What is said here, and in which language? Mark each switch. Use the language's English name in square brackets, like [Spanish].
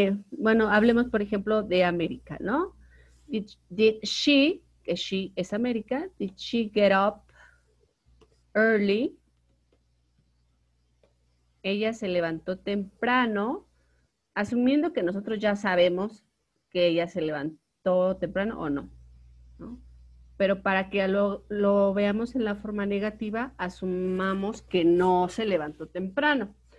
[Spanish] Bueno, hablemos, por ejemplo, de América, ¿no? [English] Did she, [Spanish] que she es América, [English] did she get up early? [Spanish] Ella se levantó temprano, asumiendo que nosotros ya sabemos que ella se levantó temprano o no, ¿no? Pero para que lo veamos en la forma negativa, asumamos que no se levantó temprano.